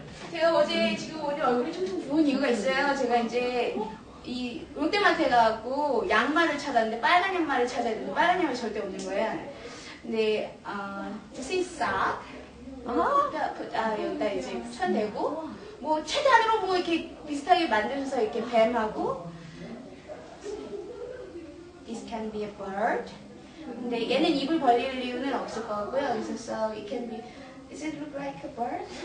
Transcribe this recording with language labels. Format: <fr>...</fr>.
<ko>제가 어제 지금 오늘 얼굴이 좀 부은 이유가 있어요. 제가 이제 이 롯데마트에 가서 양말을 찾았는데 빨간 양말을 찾았는데 빨간 양말 절대 없는 거예요.</ko> <en>근데 this is sock.</en> <ko>여기다 이제 붙여내고 뭐 최대한으로 뭐 이렇게 비슷하게 만드셔서 이렇게 뱀하고 This can be a bird. 근데 얘는 입을 벌릴 이유는 없을 거고요.</ko> <en>그래서 so it can be Is it look like a bird?</en>